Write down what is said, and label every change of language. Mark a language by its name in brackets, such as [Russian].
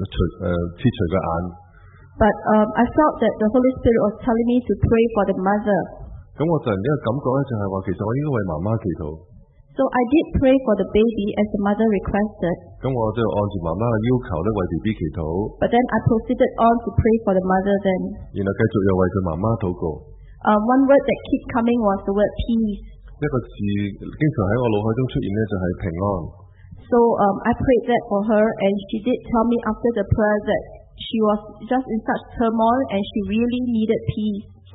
[English] But I felt that the Holy Spirit was telling me to pray for the mother. [Cantonese] 咁我突然间感觉咧，就系话其实我应该为妈妈祈祷。 [English] So I did pray for the baby as the mother requested. [Cantonese] 咁我就按住妈妈嘅要求咧，为 baby 祈祷。 [English] But then I proceeded on to pray for the mother then. [Cantonese] 然后继续又为佢妈妈祷告。 [English] One word that kept coming was the word peace. [Cantonese] 一个字经常喺我脑海中出现咧，就系平安。 [English] So I prayed that for her, and she did tell me after the prayer that she was just in such turmoil, and she really needed peace.